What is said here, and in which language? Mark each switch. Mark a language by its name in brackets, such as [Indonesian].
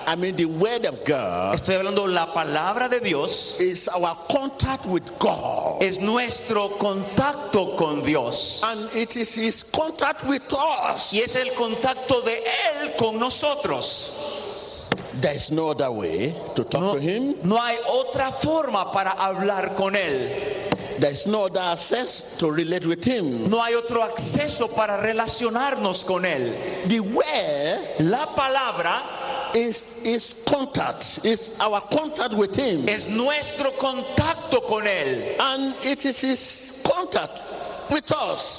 [English] I mean the word of God, [Spanish] estoy hablando la palabra de Dios, [English] is our contact with God, [Spanish] es nuestro contacto con Dios, [English] and it is his contact with us, [Spanish] y es el contacto de él con nosotros. [English] There is no other way to talk to him. [Spanish] No hay otra forma para hablar con él. [English] There is no other access to relate with him. [Spanish] No hay otro acceso para relacionarnos con él. [English] The way, [Spanish] la palabra, [English] is contact, is our contact with him. [Spanish] Es nuestro contacto con él. [English] And it is his contact with us.